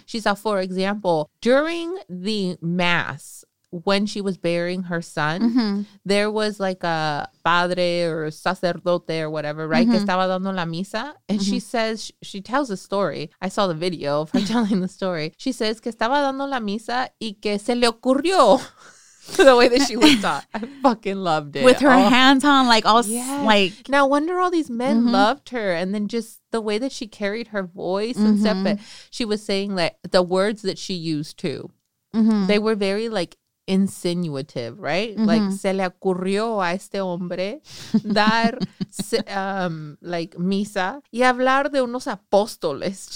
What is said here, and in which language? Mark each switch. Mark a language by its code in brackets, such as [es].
[en] She saw, for example, during the mass, when she was burying her son, mm-hmm. there was like a padre or sacerdote or whatever, right? Mm-hmm. [es] Que estaba dando la misa. [en] And mm-hmm. she says, she tells a story. I saw the video of her telling the story. She says, [es] que estaba dando la misa y que se le ocurrió. [en] The way that she was taught. I fucking loved it. With her hands on, like all, like. Now, wonder all these men mm-hmm. loved her. And then just the way that she carried her voice mm-hmm. and stuff. But she was saying like the words that she used too. Mm-hmm. They were very like, insinuative, right? Mm-hmm. Like, [es] se le ocurrió a este hombre dar like misa y hablar de unos apóstoles.